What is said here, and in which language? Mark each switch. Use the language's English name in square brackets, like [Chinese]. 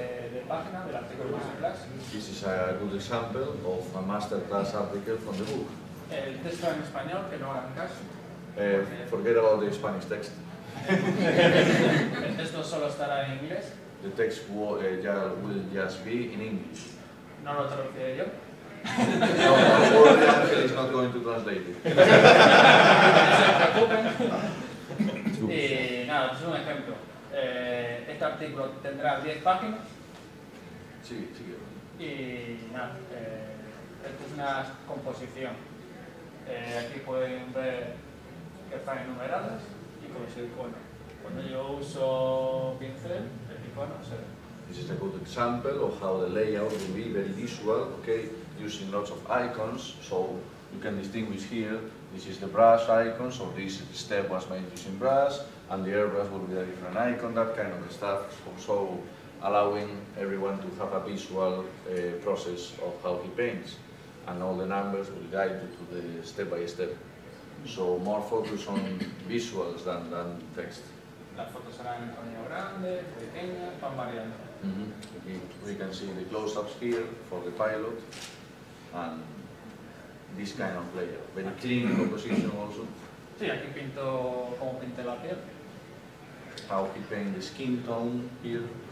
[English] This is a good example of a masterclass article from the book. [Spanish] El texto en español, que no hagan caso. [English] Forget about the Spanish text. [Spanish] El texto solo estará en inglés. [English] The text will just be in English. [Spanish] No lo traduciré yo. [English] No, no, no, the article is not going to translate it. [Spanish] No se preocupen. Y nada, es un ejemplo. Este artículo tendrá 10 páginas. Sí, sí. Y nada, esto es una composición. Aquí pueden ver que están enumeradas y con el icono. Cuando yo uso pincel, el icono se ve. [English] This is a good example of how the layout will be very visual, okay? Using lots of icons, so you can distinguish here. This is the brush icon, so this step was made using brush, and the airbrush will be a different icon, that kind of stuff. Also, allowing everyone to have a visual process of how he paints. And all the numbers will guide you to the step by step. So more focus on visuals than text. [Spanish] Las fotos serán en tamaño grande, pequeña, van variando. [English] We can see the close-ups here for the pilot and this kind of layout. Very clean composition also. [Spanish] Sí, aquí pinto cómo pinté la piel. [English] How he paint the skin tone here.